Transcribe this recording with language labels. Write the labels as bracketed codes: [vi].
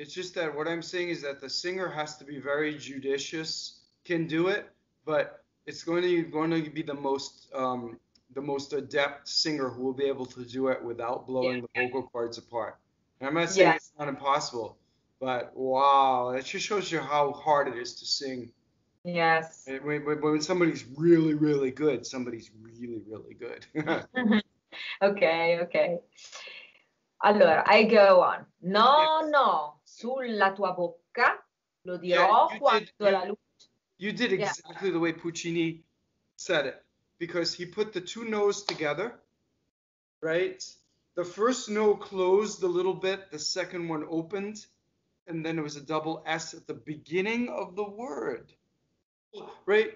[en] It's just that what I'm saying is that the singer has to be very judicious, can do it, but it's going to be the most adept singer who will be able to do it without blowing the vocal cords apart. And I'm not saying it's not impossible, but wow, it just shows you how hard it is to sing. Yes. When somebody's really, really good, somebody's really, really good. Okay. Allora, I go on. [it] No, no, sulla tua bocca lo dirò quando la luce. [en] You did exactly the way Puccini said it, because he put the two no's together, right? The first no closed a little bit, the second one opened, and then it was a double S at the beginning of the word, right?